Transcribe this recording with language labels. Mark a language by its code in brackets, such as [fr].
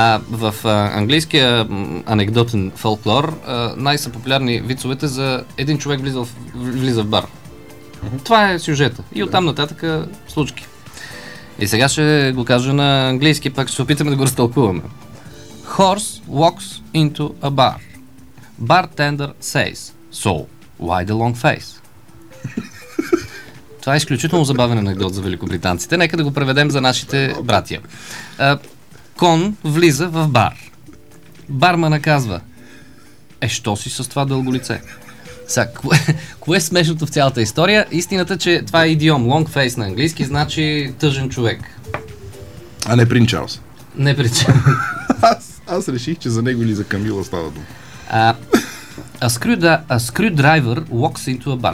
[bg] В английския анекдотен фолклор най-са популярни вицовете за един човек влиза в бар. Ага. Това е сюжета. И оттам нататък случки. И сега ще го кажа на английски, пак ще се опитаме да го разтълкуваме. [en] Horse walks into a bar. Bartender says, so, why the long face? [bg] Това е изключително забавен анекдот за великобританците. Нека да го преведем за нашите братия. Кон влиза в бар. Бармана казва, е, що си с това дълго лице? Сега, кое е смешното в цялата история? Истината, че това е идиом. [en] Long face [bg] на английски значи тъжен човек. А не Принц Чарлз. Не Принц Чарлз. Аз реших, че за него или за Камила става дума. [en] A screwdriver walks into a bar.